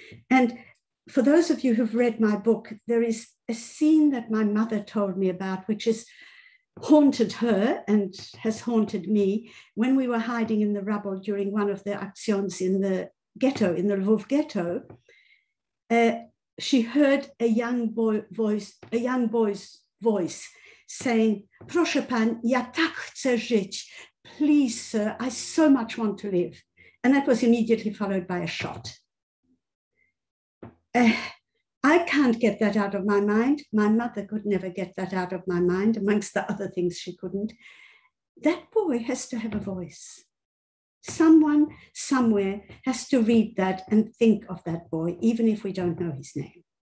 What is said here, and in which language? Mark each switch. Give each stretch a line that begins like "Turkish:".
English: And for those of you who've read my book, there is a scene that my mother told me about, which has haunted her and has haunted me when we were hiding in the rubble during one of the actions in the ghetto, in the Lvov ghetto. She heard a young boy's voice saying,
Polish: "Proszę pan, ja tak chcę żyć.
English: Please, sir, I so much want to live." And that was immediately followed by a shot. I can't get that out of my mind. My mother could never get that out of my mind, amongst the other things she couldn't. That boy has to have a voice. Someone somewhere has to read that and think of that boy, even if we don't know his name.